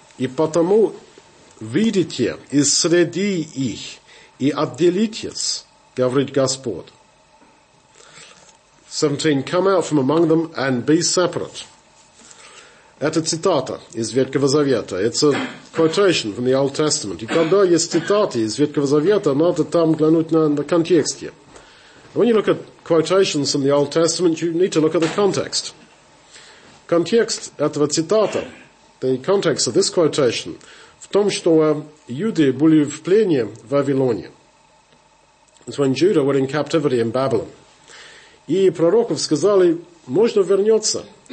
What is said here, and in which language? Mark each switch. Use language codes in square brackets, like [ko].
[ru] «И потому выйдите из среды их и отделитесь, говорит Господь». [en] 17. «Come out from among them and be separate». [ru] Это цитата из Ветхого Завета. [en] It's a quotation from the Old Testament. [ru] И когда есть цитаты из Ветхого Завета, надо там глянуть на контексте. [en] When you look at quotations from the Old Testament, you need to look at the context. [ru] Контекст этого цитата, [en] the context of this quotation, [ru] в том, что юды были в плене в Вавилоне. [en] It's when Judah were in captivity in Babylon. [ru] И пророков сказали, можно вернется.